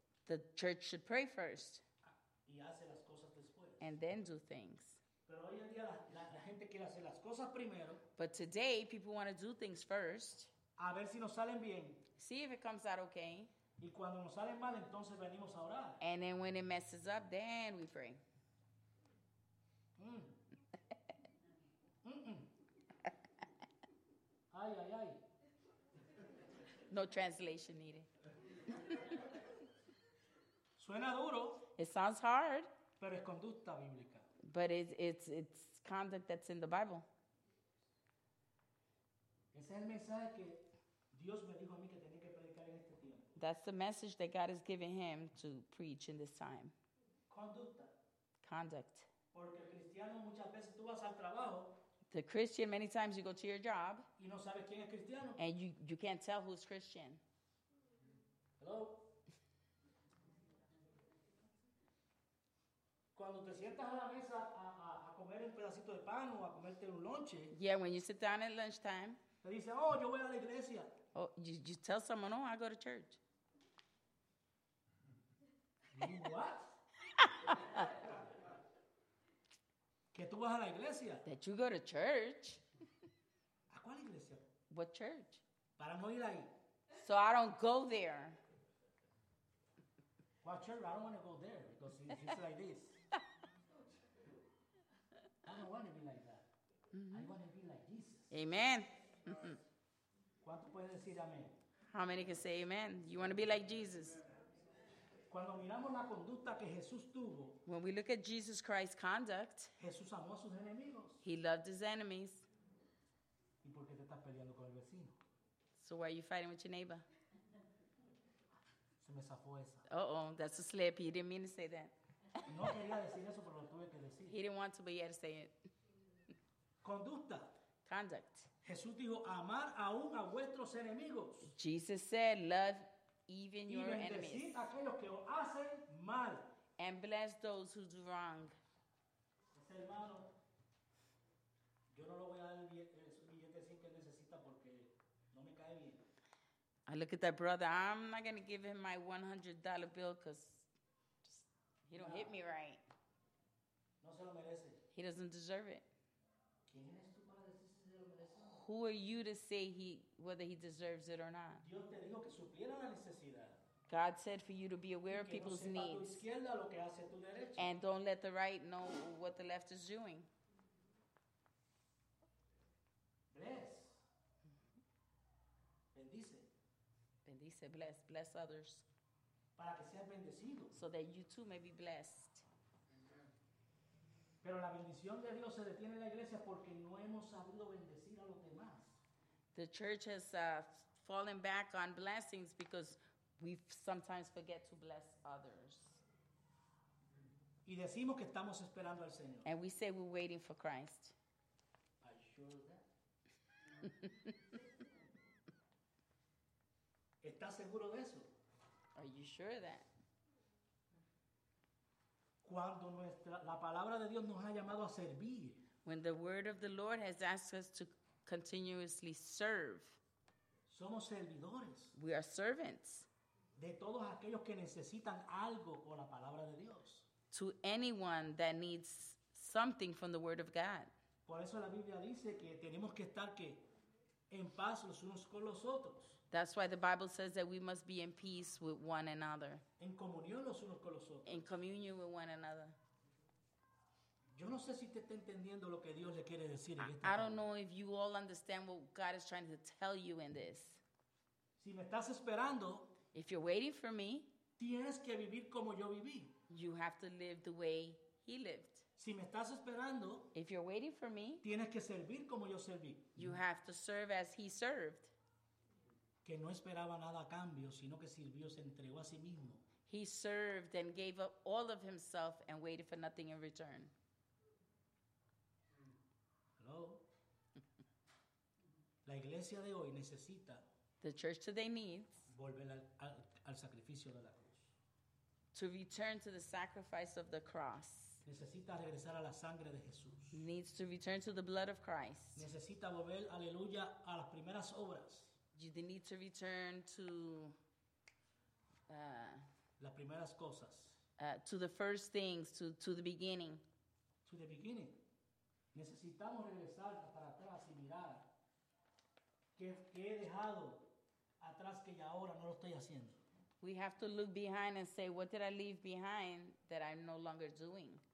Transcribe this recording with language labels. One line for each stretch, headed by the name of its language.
English: The church should pray first
Spanish: y hace las cosas después.
English: And then do things.
Spanish: Pero hoy en día la gente quiere hacer las cosas primero.
English: But today, people want to do things first.
Spanish: A ver si nos salen bien.
English: See if it comes out okay.
Spanish: Y cuando nos salen mal, entonces venimos a orar.
English: And then when it messes up, then we pray. Ay, ay, ay. No translation needed.
Spanish: Suena duro.
English: It sounds hard.
Spanish: Pero es conducta bíblica.
English: But it's conduct that's in the Bible.
Spanish: Ese es el mensaje que Dios me dijo a mí que tenía que predicar en este tiempo.
English: That's the message that God has given him to preach in this time.
Spanish: Conducta.
English: Conduct.
Spanish: Porque el cristiano muchas veces tú vas al trabajo.
English: The Christian, many times you go to your job.
Spanish: Y no sabes quién es cristiano.
English: And you can't tell who's Christian. Hello?
Spanish: Cuando te sientas a la mesa a comer un pedacito de pan o a comerte un lonche.
English: Yeah, when you sit down at lunchtime.
Spanish: Te dicen, oh, yo voy a la iglesia.
English: Oh, you tell someone, oh, I go to church. What?
Spanish: Que tú vas a la iglesia.
English: That you go to church.
Spanish: ¿A cuál iglesia?
English: What church?
Spanish: Para no ir ahí.
English: So I don't go there. Well, church, I don't want to go there because it's like this. I don't want to be like that. Mm-hmm. I want to be like Jesus. Amen.
Spanish: ¿Cuánto puede decir amén?
English: How many can say amen? You want to be like Jesus.
Spanish: Cuando miramos la conducta que Jesús tuvo,
English: when we look at Jesus Christ's conduct,
Spanish: Jesús amó a sus enemigos.
English: He loved his enemies.
Spanish: ¿Y por qué te estás peleando con el vecino?
English: So why are you fighting with your neighbor?
Spanish: Se me zafó esa.
English: Uh-oh, that's a slip. He didn't mean to say that.
Spanish: No quería decir eso, pero lo tuve que decir.
English: He didn't want to, but he had to say it.
Spanish: Conducta.
English: Conduct.
Spanish: Jesús dijo, amar aún a vuestros enemigos.
English: Jesus said, love even your enemies.
Spanish: Y bendecir a aquellos que os hacen mal.
English: And bless those who do wrong.
Spanish: Ese hermano, yo no lo voy a dar el billete sin que necesita porque no me cae bien.
English: I look at that brother, I'm not going to give him my $100 bill because he don't hit me right.
Spanish: No se lo merece.
English: He doesn't deserve it.
Spanish: ¿Quién eres tú para decir si se lo merece?
English: Who are you to say whether he deserves it or not?
Spanish: Dios te dijo que supiera la necesidad.
English: God said for you to be aware
Spanish: y que
English: of people's
Spanish: no sepa
English: needs.
Spanish: Tu izquierda lo que hace tu derecha.
English: And don't let the right know what the left is doing. Bless.
Spanish: Bendice. Bendice,
English: bless others.
Spanish: Para que seas bendecido.
English: So that you too may be blessed.
Spanish: Pero la bendición de Dios se detiene en la iglesia porque no hemos sabido bendecir a los demás.
English: The church has fallen back on blessings because we sometimes forget to bless others.
Spanish: Y decimos que estamos esperando al Señor.
English: And we say we're waiting for Christ. Are you sure of that?
Spanish: ¿Estás seguro de eso?
English: Are you sure of that?
Spanish: Cuando la palabra de Dios nos ha llamado a servir.
English: When the word of the Lord has asked us to continuously serve.
Spanish: Somos servidores.
English: We are servants.
Spanish: De todos aquellos que necesitan algo por la palabra de Dios.
English: To anyone that needs something from the word of God.
Spanish: Por eso la Biblia dice que tenemos que estar que en paz los unos con los otros.
English: That's why the Bible says that we must be in peace with one another.
Spanish: En comunión los unos con los otros.
English: In communion with one another.
Spanish: Yo no sé si usted está entendiendo lo que Dios le quiere decir en este.
English: I don't know if you all understand what God is trying to tell you in this.
Spanish: Si me estás esperando,
English: if you're waiting for me,
Spanish: tienes que vivir como yo viví.
English: You have to live the way he lived.
Spanish: Si me estás esperando,
English: if you're waiting for me,
Spanish: tienes que servir como yo serví.
English: You have to serve as he served.
Spanish: Que no esperaba nada a cambio, sino que sirvió, se entregó a sí mismo.
English: He served and gave up all of himself and waited for nothing in return. Hello.
Spanish: La iglesia de hoy necesita.
English: The church today needs.
Spanish: Volver al sacrificio de la cruz.
English: To return to the sacrifice of the cross.
Spanish: Necesita regresar a la sangre de Jesús.
English: Needs to return to the blood of Christ.
Spanish: Necesita volver, aleluya, a las primeras obras.
English: You need to return to
Spanish: las primeras cosas.
English: To the first things, to the beginning. To the beginning.
Spanish: Necesitamos regresar para atrás y mirar que he dejado atrás que ya ahora no lo estoy haciendo.
English: We have to look behind and say, what did I leave behind that I'm no longer doing?